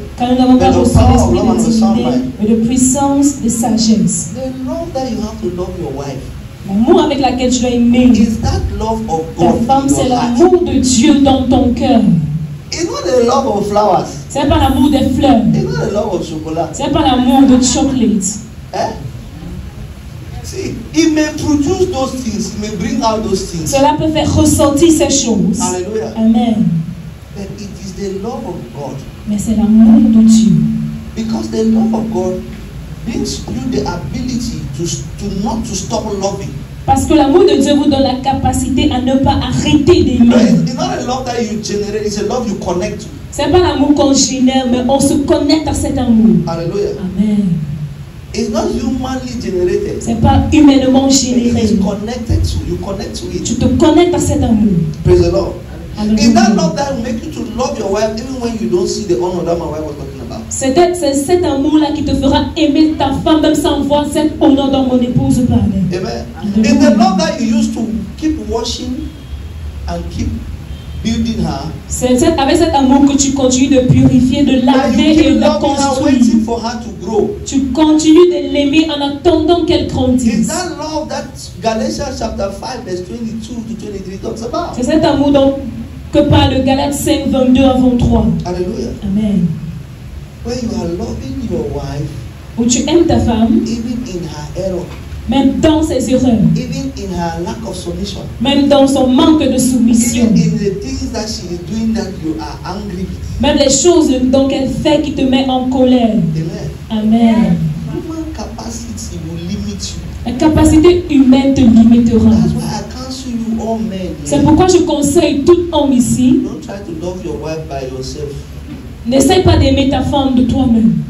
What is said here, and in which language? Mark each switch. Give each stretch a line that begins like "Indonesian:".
French: Quand nous n'avons pas reçu l'esprit de timidité, mais de puissance, de sagesse.
English: The love that you have to love your wife.
French: L'amour avec laquelle tu dois aimer.
English: Is that love of God?
French: Ta femme, c'est l'amour de Dieu dans ton cœur. C'est pas l'amour des fleurs.
English: It's not the love of chocolate.
French: C'est pas l'amour de chocolate.
English: See, it may produce those things, it may bring out those things.
French: Cela peut faire ressortir ces choses. Alléluia. Amen.
English: But it is the love of God.
French: Mais c'est l'amour de Dieu.
English: Because the love of God brings you the ability to not to stop loving.
French: Parce que l'amour de Dieu vous donne la capacité à ne pas arrêter d'aimer.
English: It's not a love that you generate, it's a love you connect to.
French: C'est pas l'amour qu'on génère, mais on se connecte à cet amour. Alléluia. Amen.
English: It's not humanly generated.
French: C'est pas humainement généré.
English: It's connected to, you connect to it.
French: Tu te connectes à cet amour.
English: Praise the Lord. Alléluia. Is that love that will make you to love your wife even when you don't see the honor that my wife was talking?
French: C'est cet amour-là qui te fera aimer ta femme même sans voir cet honneur dans mon épouse parler. Amen.
English: In the love that you used to keep washing and keep building her.
French: C'est avec cet amour que tu continues de purifier, de laver et de construire.
English: You keep loving her, waiting for her to grow.
French: Tu continues de l'aimer en attendant qu'elle grandisse.
English: Is that love that Galatians chapter 5 verse 22 to 23 talks about?
French: C'est cet amour dont que parle Galates 5 22 à 23. Alléluia. Amen.
English: When you are loving your wife,
French: où tu aimes ta femme,
English: even in her error,
French: même dans ses erreurs,
English: even in her lack of submission,
French: même dans son manque de soumission,
English: even in the things that she is doing that you are angry with,
French: même les choses dont elle fait qui te met en colère. Amen. Amen.
English: Human capacity will limit you.
French: La capacité humaine te limitera.
English: That's why I counsel you all men.
French: C'est pourquoi je conseille tout homme ici.
English: Don't try to love your wife by yourself.
French: N'essaie pas d'aimer ta femme de toi-même.